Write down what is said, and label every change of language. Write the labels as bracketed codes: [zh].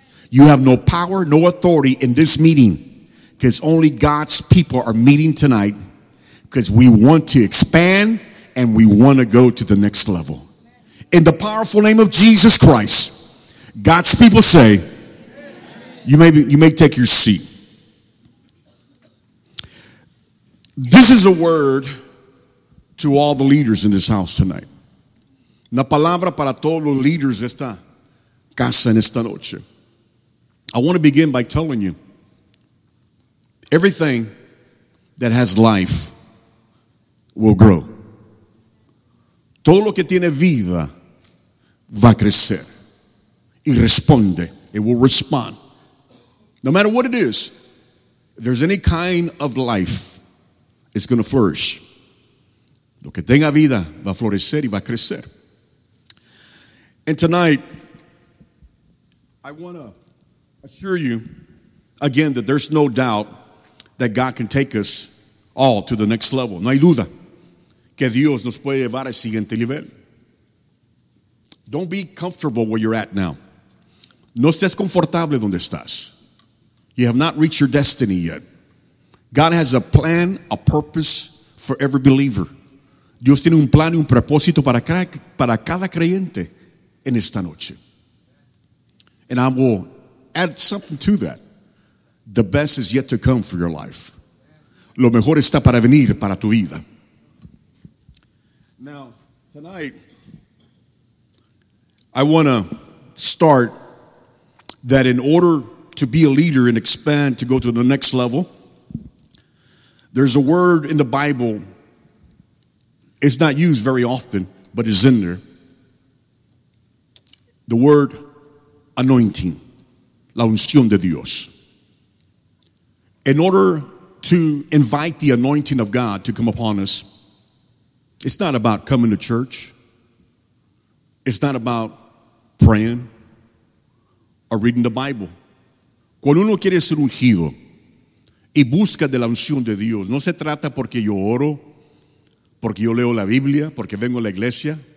[en] You have no power, no authority in this meeting, because only God's people are meeting tonight because we want to expand and we want to go to the next level. In the powerful name of Jesus Christ, God's people say, you may take your seat. This is a word to all the leaders in this house tonight. [es] Una palabra para todos los líderes de esta casa en esta noche. [en] I want to begin by telling you, everything that has life will grow. [es] Todo lo que tiene vida va a crecer. Y responde. [en] It will respond. No matter what it is, if there's any kind of life, it's going to flourish. [es] Lo que tenga vida va a florecer y va a crecer. [en] And tonight, I want to assure you again that there's no doubt that God can take us all to the next level. [es] No hay duda que Dios nos puede llevar al siguiente nivel. [en] Don't be comfortable where you're at now. [es] No estés confortable donde estás. [en] You have not reached your destiny yet. God has a plan, a purpose for every believer. [es] Dios tiene un plan y un propósito para cada creyente en esta noche. [en] And I will add something to that. The best is yet to come for your life. [es] Lo mejor está para venir para tu vida. [en] Now, tonight, I want to start that in order to be a leader and expand to go to the next level, there's a word in the Bible. It's not used very often, but it's in there. The word anointing, [es] la unción de Dios. [en] In order to invite the anointing of God to come upon us, it's not about coming to church. It's not about praying or reading the Bible. [es] Cuando uno quiere ser ungido y busca de la unción de Dios, no se trata porque yo oro, porque yo leo la Biblia, porque vengo a la iglesia.